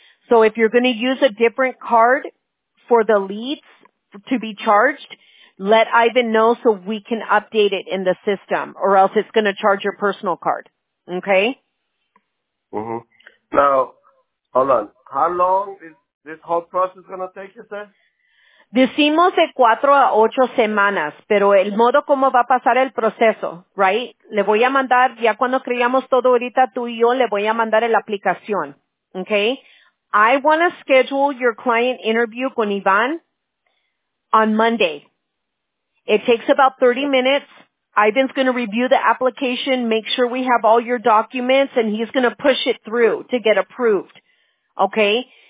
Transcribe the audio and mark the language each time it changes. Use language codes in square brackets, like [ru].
[en] So if you're going to use a different card for the leads to be charged, let Ivan know so we can update it in the system or else it's going to charge your personal card. Okay? Mm-hmm. Now, hold on. How long is this whole process going to take, you said? [es] Decimos de 4 a 8 semanas, pero el modo como va a pasar el proceso, right? Le voy a mandar, ya cuando creamos todo ahorita tú y yo, le voy a mandar la aplicación, okay? [en] I want to schedule your client interview [es] con Iván [en] on Monday. It takes about 30 minutes. Ivan's going to review the application, make sure we have all your documents, and he's going to push it through to get approved, okay?